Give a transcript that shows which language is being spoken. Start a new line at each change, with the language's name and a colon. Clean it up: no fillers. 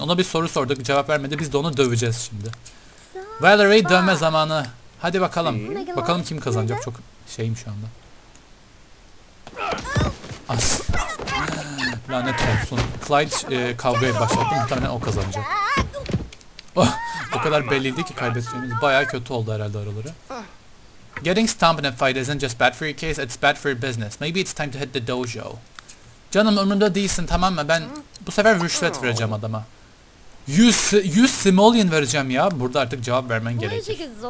Turkish: Ona bir soru sorduk, cevap vermedi, biz de onu döveceğiz şimdi. Valerie, dönme zamanı. Hadi bakalım. Bakalım kim kazanacak, çok şeyim şu anda. As. Lanet olsun. Clyde kavgaya başladı. Muhtemelen o kazanacak. O kadar belliydi ki kaybettiğimiz. Bayağı kötü oldu herhalde araları.
English: Getting stomped in a fight isn't just bad for your case, it's bad for your business. Maybe it's time to hit the dojo.
Turkish: Canım umurumda değilsin, tamam mı? Ben bu sefer rüşvet vereceğim adama. 100 simoleon vereceğim ya. Burada artık cevap vermen gerekir.